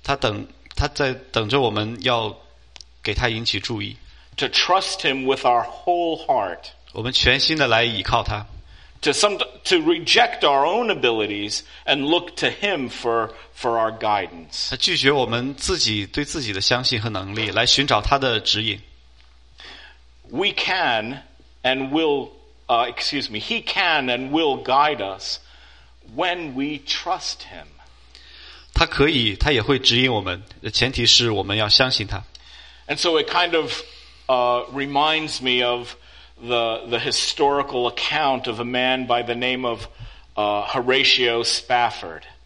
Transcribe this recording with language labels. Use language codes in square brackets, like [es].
[zh] 他在等着我们要给他引起注意。 [en] To trust him with our whole heart. [zh] 我们全心的来倚靠他。 [en] To reject our own abilities and look to him for our guidance. [zh] 他拒绝我们自己对自己的相信和能力来寻找他的指引。 [en] We can and willHe can and will guide us when we trust him. [zh] 他可以，他也会指引我们，前提是我们要相信他。 [en] And so it kind of reminds me of the historical account of a man by the name of Horatio Spafford.